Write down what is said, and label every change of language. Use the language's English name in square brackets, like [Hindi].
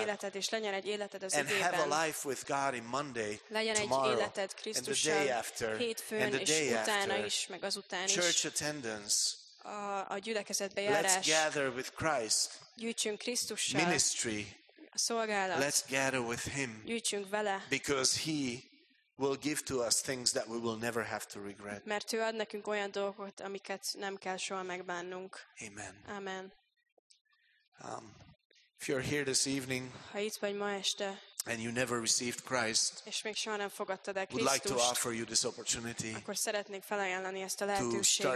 [Hungarian] Életed, és legyen egy életed az [English] and [Hungarian] igében. [English] Have a life with God in Monday, [Hungarian] legyen [English] tomorrow, [Hungarian] egy életed Krisztussal, [English] and the day after, [Hungarian] hétfőn, [English] and the day [Hungarian] és utána [English] after. [Hungarian] Is, meg az után is. [English] Church attendance. [Hungarian] A gyülekezetbe járás. [English] Let's gather with Christ. [Hungarian] Gyűjtsünk Krisztussal. [English] Ministry. [Hungarian] Szolgálat. [English] Let's gather with him. [Hungarian] Gyűjtsünk vele. [English] Because he will give to us things that we will never have to regret. [Hungarian] Mert ő ad nekünk olyan dolgokat, amiket nem kell soha megbánnunk. [English] Amen. [Hungarian] Amen. [English] If you're here this evening, [Hungarian] ha itt vagy ma este, [English] and you never received Christ, [Hungarian] és még soha nem fogadtad el Krisztust, [English] would like to offer you this opportunity, [Hungarian] akkor szeretnék felajánlani ezt a lehetőséget,